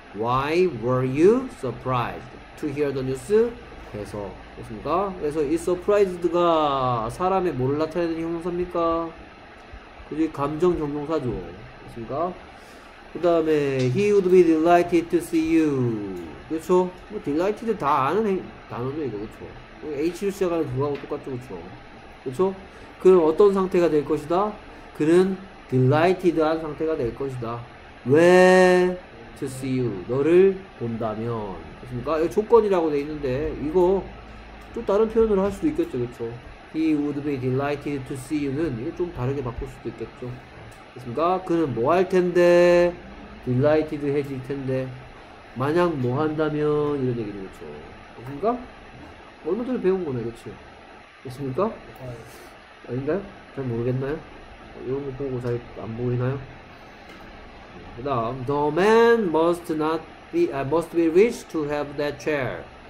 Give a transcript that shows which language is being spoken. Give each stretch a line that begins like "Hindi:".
English: Why were you surprised to hear the news?
Korean: 해서. 그렇습니까? 그래서 이 surprised가 사람의 뭘 나타내는 형용사입니까? 그게 감정 형용사죠. 그렇습니까? 그 다음에
English: he would be delighted to see you.
Korean: 그렇죠? 뭐 delighted 다 아는 단어죠 이거. 그렇죠? H로 시작하는 누구하고 똑같죠. 그렇죠? 그는 어떤 상태가 될 것이다? 그는 delighted한 상태가 될 것이다. 왜?
English: to see you.
Korean: 너를 본다면. 그렇습니까? 이거 조건이라고 돼 있는데 이거 또 다른 표현으로 할 수도 있겠죠. 그렇죠?
English: He would be delighted to see you
Korean: 는 이게 좀 다르게 바꿀 수도 있겠죠. 그렇습니까? 그는 뭐 할 텐데? delighted 해질 텐데. 만약 뭐 한다면 이런 얘기죠. 그렇죠? 그렇습니까? 얼마 전에 배운 거네. 그렇죠? 그렇습니까? 아닌가요? 잘 모르겠나요? 이런 거 보고 잘 안 보이나요? 그 다음
English: The man must be rich to have that chair.